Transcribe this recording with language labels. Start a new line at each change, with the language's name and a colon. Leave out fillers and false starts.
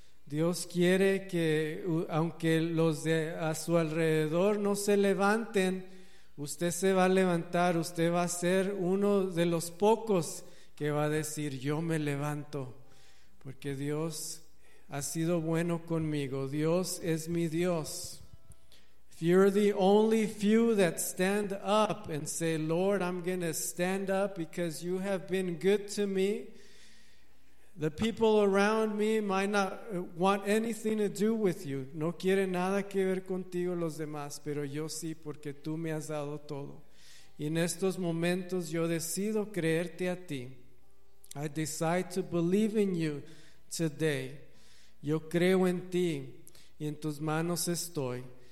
Spanish: Dios quiere que, aunque los de a su alrededor no se levanten, usted se va a levantar. Usted va a ser uno de los pocos que va a decir: yo me levanto, porque Dios ha sido bueno conmigo. Dios es mi Dios.
English: You're the only few that stand up and say, Lord, I'm going to stand up because you have been good to me. The people around me might not want anything to do with you.
Spanish: No quiere nada que ver contigo los demás, pero yo sí, porque tú me has dado todo. Y en estos momentos yo decido creerte a ti.
English: I decide to believe in you today.
Spanish: Yo creo en ti y en tus manos estoy.